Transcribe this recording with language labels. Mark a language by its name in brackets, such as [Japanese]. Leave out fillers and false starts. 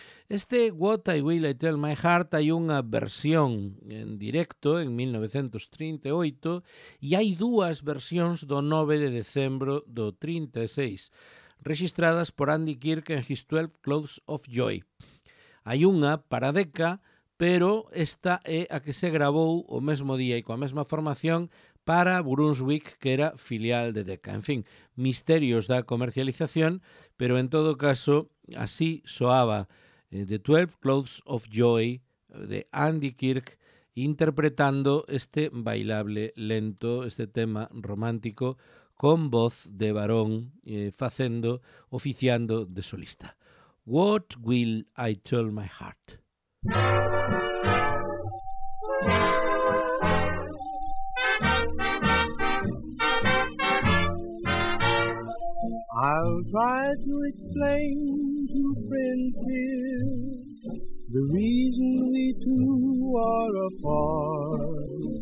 [Galician] Este What I Will I Tell My Heart hai unha versión en directo en 1938 e hai dúas versións do 9 de decembro do 36, registradas por Andy Kirk en His 12 Clothes of Joy. Hai unha para Decca, pero esta é a que se gravou o mesmo día e coa mesma formación para Brunswick, que era filial de Decca. En fin, misterios da comercialización, pero en todo caso, así soaba The 12 Clothes of Joy de Andy Kirk interpretando este bailable lento, este tema romántico, con voz de varón, facendo, oficiando de solista. [English] What will I tell my heart? I'll try to explain to friends here the reason we two are apart.